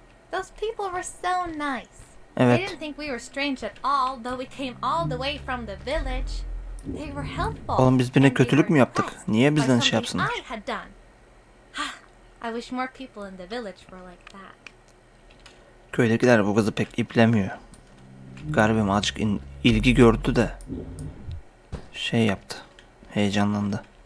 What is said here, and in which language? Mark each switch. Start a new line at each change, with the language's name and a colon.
English: Those people were so nice.
Turkish: Evet.
English: They didn't think we were strange at all, though we came all the way from the village. They were helpful.
Turkish: Oğlum biz birine kötülük mü yaptık? Niye bizden şey yapsınlar?
English: I wish more people in the village were like that.
Turkish: Köydekiler bu kızı pek iplemiyor. Garibim azıcık ilgi gördü de şey yaptı. Heyecanlandı.